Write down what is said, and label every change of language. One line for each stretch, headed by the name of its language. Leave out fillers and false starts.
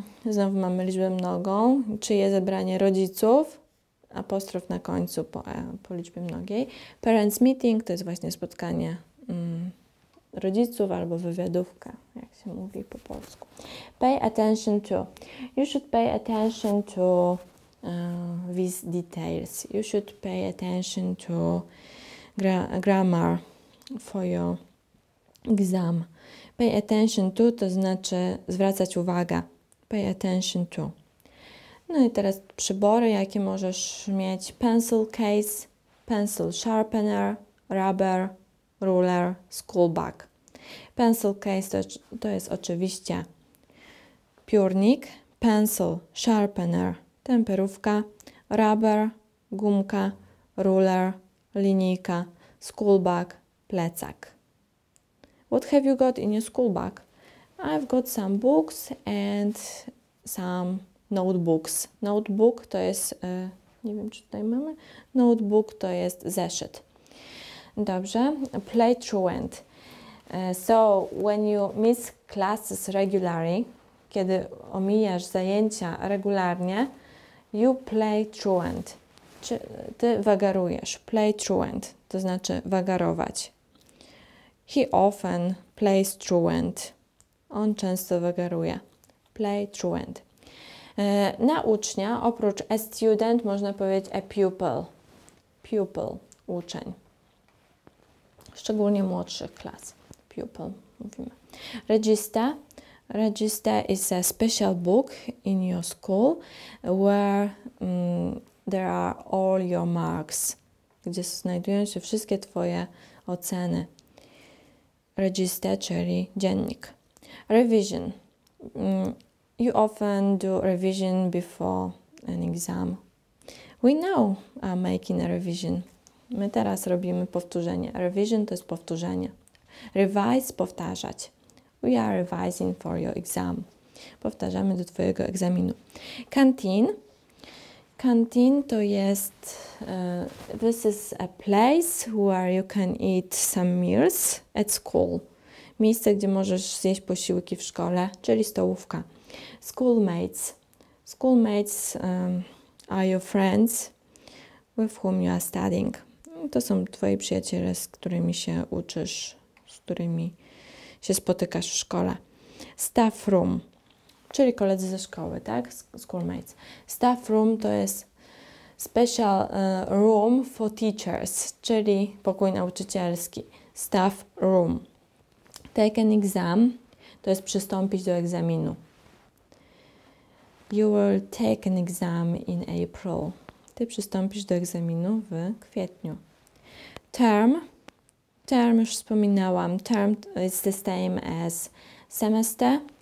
Polish: Znowu mamy liczbę mnogą. Czyje zebranie rodziców? apostrof na końcu po liczbie mnogiej. Parents meeting to jest właśnie spotkanie rodziców albo wywiadówka, jak się mówi po polsku.
English: Pay attention to. You should pay attention to these details. You should pay attention to grammar for your exam.
Polish: Pay attention to znaczy zwracać uwagę. Pay attention to. No i teraz przybory, jakie możesz mieć.
English: Pencil case, pencil sharpener, rubber, ruler, school bag.
Polish: Pencil case to jest oczywiście piórnik, pencil sharpener, temperówka, rubber, gumka, ruler, linijka, school bag, plecak.
English: What have you got in your school bag? I've got some books and some notebooks.
Polish: Notebook to jest, nie wiem czy tutaj mamy, notebook to jest zeszyt.
English: Dobrze, play truant. So when you miss classes regularly,
Polish: kiedy omijasz zajęcia regularnie,
English: you play truant. Czy ty wagarujesz, play truant, to znaczy wagarować. He often plays truant.
Polish: On często wagaruje.
English: Play truant.
Polish: Na ucznia, oprócz a student, można powiedzieć a pupil. Pupil, uczeń. Szczególnie młodszych klas. Pupil, mówimy. Register.
English: Register is a special book in your school, where there are all your marks.
Polish: Gdzie znajdują się wszystkie twoje oceny. Register, czyli dziennik.
English: Revision. You often do revision before an exam. We now are making a revision.
Polish: My teraz robimy powtórzenie. Revision to jest powtórzenie. Revise, powtarzać.
English: We are revising for your exam.
Polish: Powtarzamy do twojego egzaminu.
English: Canteen. Canteen to jest... this is a place where you can eat some meals at school.
Polish: Miejsce, gdzie możesz zjeść posiłki w szkole, czyli stołówka.
English: Schoolmates. Schoolmates are your friends with whom you are studying.
Polish: To są twoi przyjaciele, z którymi się uczysz, z którymi się spotykasz w szkole. Staff room, czyli koledzy ze szkoły, tak? Schoolmates.
English: Staff room to jest special room for teachers,
Polish: czyli pokój nauczycielski. Staff room.
English: Take an exam,
Polish: to jest przystąpić do egzaminu.
English: You will take an exam in April.
Polish: Ty przystąpisz do egzaminu w kwietniu. Term. Term już wspominałam.
English: Term is the same as semester.